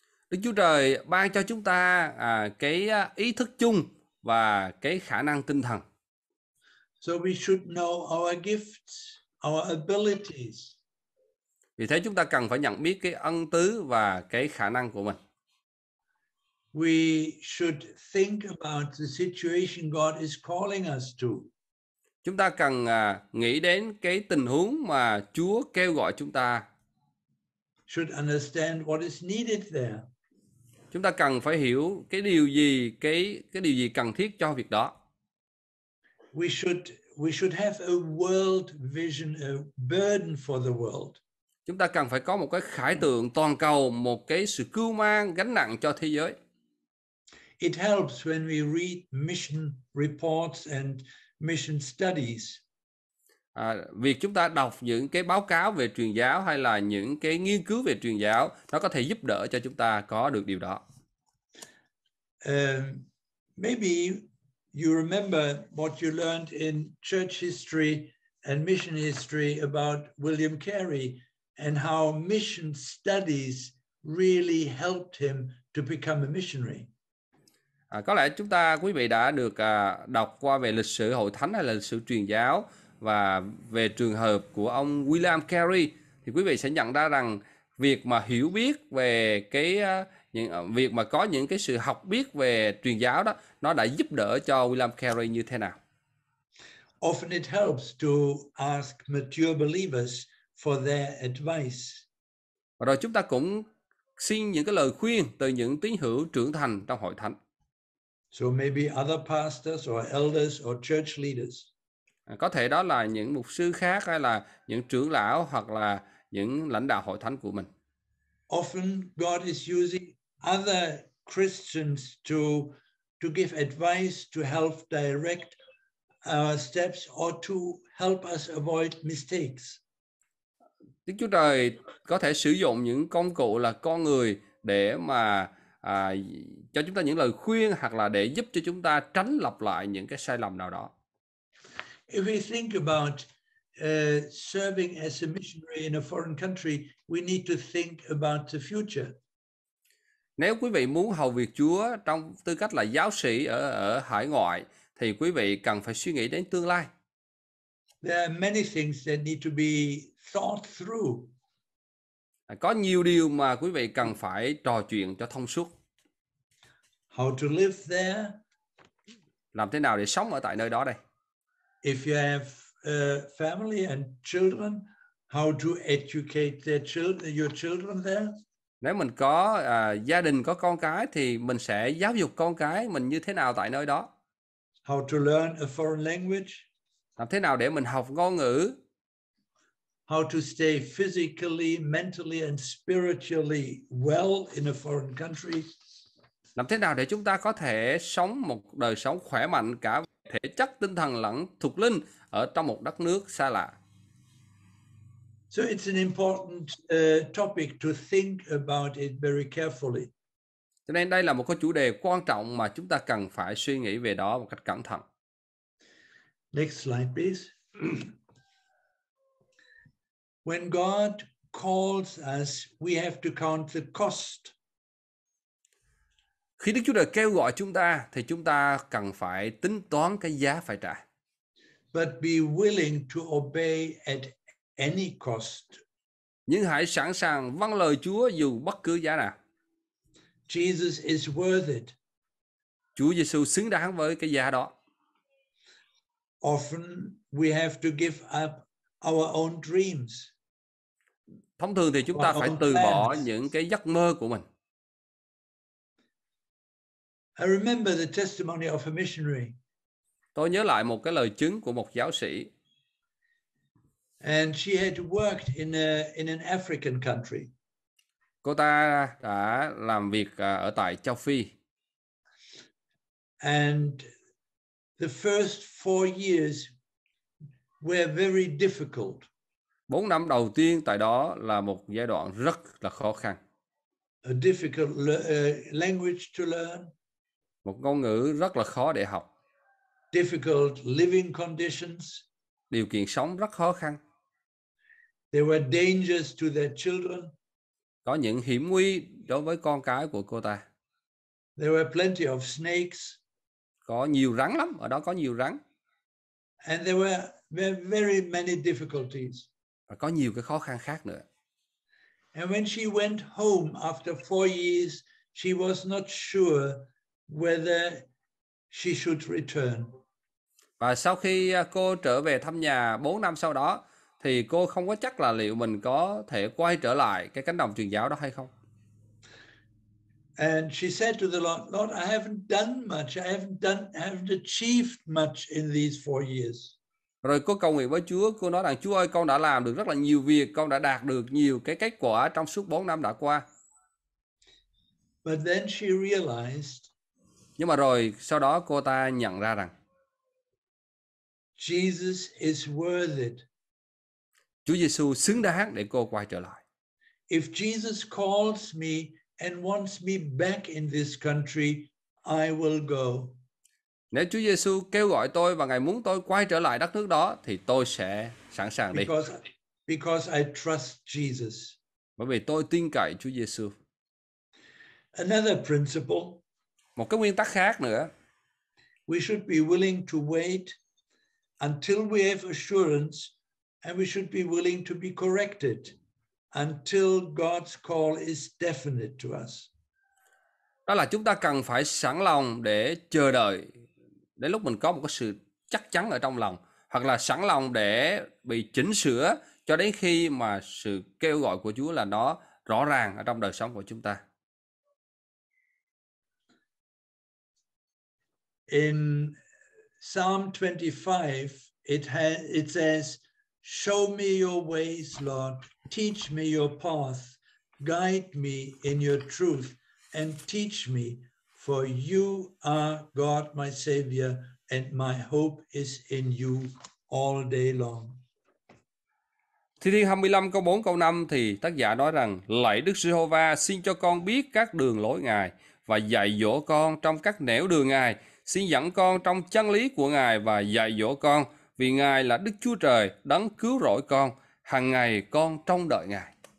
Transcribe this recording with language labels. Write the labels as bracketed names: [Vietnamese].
[Vietnamese] Đức Chúa Trời ban cho chúng ta cái ý thức chung và cái khả năng tinh thần. [English] So we should know our gifts, our abilities. [Vietnamese] Vì thế chúng ta cần phải nhận biết cái ân tứ và cái khả năng của mình. [English] We should think about the situation God is calling us to. [Vietnamese] Chúng ta cần nghĩ đến cái tình huống mà Chúa kêu gọi chúng ta. [English] Should understand what is needed there. [Vietnamese] Chúng ta cần phải hiểu cái điều gì cần thiết cho việc đó. [English] We should have a world vision, a burden for the world. [Vietnamese] Chúng ta cần phải có một cái khải tượng toàn cầu, một cái sự cưu mang gánh nặng cho thế giới. [English] It helps when we read mission reports and mission studies. [Vietnamese] Việc chúng ta đọc những cái báo cáo về truyền giáo hay là những cái nghiên cứu về truyền giáo, nó có thể giúp đỡ cho chúng ta có được điều đó. [English] Maybe you remember what you learned in church history and mission history about William Carey and how mission studies really helped him to become a missionary. [Vietnamese] Có lẽ chúng ta quý vị đã được đọc qua về lịch sử hội thánh hay là lịch sử truyền giáo và về trường hợp của ông William Carey, thì quý vị sẽ nhận ra rằng việc mà hiểu biết về cái việc mà có những cái sự học biết về truyền giáo đó, nó đã giúp đỡ cho William Carey như thế nào. [English] Often it helps to ask mature believers for their advice. [Vietnamese] Và rồi chúng ta cũng xin những cái lời khuyên từ những tín hữu trưởng thành trong hội thánh. [English] So maybe other pastors or elders or church leaders. [Vietnamese] Có thể đó là những mục sư khác hay là những trưởng lão hoặc là những lãnh đạo hội thánh của mình. [English] Often God is using other Christians to give advice, to help direct our steps or to help us avoid mistakes. [Vietnamese] Đức Chúa Trời có thể sử dụng những công cụ là con người để mà cho chúng ta những lời khuyên hoặc là để giúp cho chúng ta tránh lặp lại những cái sai lầm nào đó. [English] If we think about serving as a missionary in a foreign country, we need to think about the future. [Vietnamese] Nếu quý vị muốn hầu việc Chúa trong tư cách là giáo sĩ ở hải ngoại, thì quý vị cần phải suy nghĩ đến tương lai. [English] There are many things that need to be thought through. [Vietnamese] Có nhiều điều mà quý vị cần phải trò chuyện cho thông suốt. [English] How to live there? [Vietnamese] Làm thế nào để sống ở tại nơi đó đây? [English] If you have family and children, how to educate their children, your children there. [Vietnamese] Nếu mình có gia đình có con cái thì mình sẽ giáo dục con cái mình như thế nào tại nơi đó. [English] How to learn a foreign language. [Vietnamese] Làm thế nào để mình học ngôn ngữ. [English] How to stay physically, mentally and spiritually well in a foreign country. [Vietnamese] Làm thế nào để chúng ta có thể sống một đời sống khỏe mạnh cả thể chất, tinh thần lẫn thuộc linh ở trong một đất nước xa lạ. [English] So it's an important topic to think about it very carefully. [Vietnamese] Cho nên đây là một cái chủ đề quan trọng mà chúng ta cần phải suy nghĩ về đó một cách cẩn thận. [English] Next slide, please. When God calls us, we have to count the cost. [Vietnamese] Khi Đức Chúa Trời kêu gọi chúng ta, thì chúng ta cần phải tính toán cái giá phải trả. [English] But be willing to obey at any cost. [Vietnamese] Nhưng hãy sẵn sàng vâng lời Chúa dù bất cứ giá nào. [English] Jesus is worth it. [Vietnamese] Chúa Giêsu xứng đáng với cái giá đó. [English] Often we have to give up our own dreams. [Vietnamese] Thông thường thì chúng ta phải từ bỏ những cái giấc mơ của mình. [English] I remember the testimony of a missionary. [Vietnamese] Tôi nhớ lại một cái lời chứng của một giáo sĩ. [English] And she had worked in an African country. [Vietnamese] Cô ta đã làm việc ở tại châu Phi. [English] And the first 4 years were very difficult. [Vietnamese] 4 năm đầu tiên tại đó là một giai đoạn rất là khó khăn. [English] A difficult language to learn. [Vietnamese] Một ngôn ngữ rất là khó để học. [English] Difficult living conditions. [Vietnamese] Điều kiện sống rất khó khăn. [English] There were dangers to their children. [Vietnamese] Có những hiểm nguy đối với con cái của cô ta. [English] There were plenty of snakes. [Vietnamese] Có nhiều rắn lắm, ở đó có nhiều rắn. [English] And there were very many difficulties. [Vietnamese] Và có nhiều cái khó khăn khác nữa. [English] And when she went home after 4 years, she was not sure whether she should return. [Vietnamese] Và sau khi cô trở về thăm nhà 4 năm sau đó, thì cô không có chắc là liệu mình có thể quay trở lại cái cánh đồng truyền giáo đó hay không. [English] And she said to the Lord, I haven't done much, I haven't achieved much in these 4 years. [Vietnamese] Rồi cô cầu nguyện với Chúa, cô nói rằng Chúa ơi, con đã làm được rất là nhiều việc, con đã đạt được nhiều cái kết quả trong suốt 4 năm đã qua. [English] But then she realized. [Vietnamese] Nhưng mà rồi sau đó cô ta nhận ra rằng [English] Jesus is worth it. [Vietnamese] Chúa Giêsu xứng đáng để cô quay trở lại. [English] If Jesus calls me and wants me back in this country, I will go. [Vietnamese] Nếu Chúa Giêsu kêu gọi tôi và Ngài muốn tôi quay trở lại đất nước đó thì tôi sẽ sẵn sàng đi. [English] Because I trust Jesus. [Vietnamese] Bởi vì tôi tin cậy Chúa Giêsu. [English] Another principle. [Vietnamese] Một cái nguyên tắc khác nữa. [English] We should be willing to wait until we have assurance, and we should be willing to be corrected until God's call is definite to us. [Vietnamese] Đó là chúng ta cần phải sẵn lòng để chờ đợi đến lúc mình có một cái sự chắc chắn ở trong lòng, hoặc là sẵn lòng để bị chỉnh sửa cho đến khi mà sự kêu gọi của Chúa là nó rõ ràng ở trong đời sống của chúng ta. [English] In Psalm 25, it says, show me your ways, Lord, teach me your path, guide me in your truth, and teach me, for you are God my Savior, and my hope is in you all day long. [Vietnamese] Thi Thiên 25 câu 4 câu 5 thì tác giả nói rằng, lạy Đức Giê-hô-va, xin cho con biết các đường lối Ngài, và dạy dỗ con trong các nẻo đường Ngài, xin dẫn con trong chân lý của Ngài và dạy dỗ con, vì Ngài là Đức Chúa Trời, đấng cứu rỗi con, hằng ngày con trông đợi Ngài.